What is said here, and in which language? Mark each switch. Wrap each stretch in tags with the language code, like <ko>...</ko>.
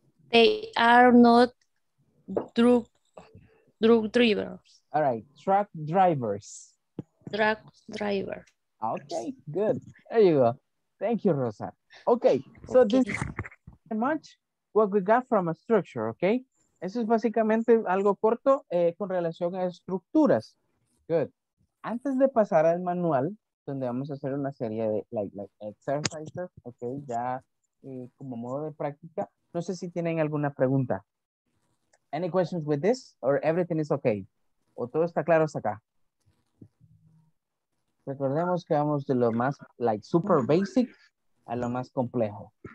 <en>They are not truck drivers. All right, truck drivers. Truck driver. Okay, good. There you go. Thank you, Rosa. Okay, so okay. This is pretty much what we got from a structure, okay?</en> <es>Eso es básicamente algo corto con relación a estructuras. Good. Antes de pasar al manual, donde vamos a hacer una serie de like exercises, okay, ya como modo de práctica. No sé si tienen alguna pregunta.</es> <en>Any questions with this or everything is okay?</en> <es>¿O todo está claro hasta acá? Recordemos que vamos de lo más like super basic a lo más complejo.</es>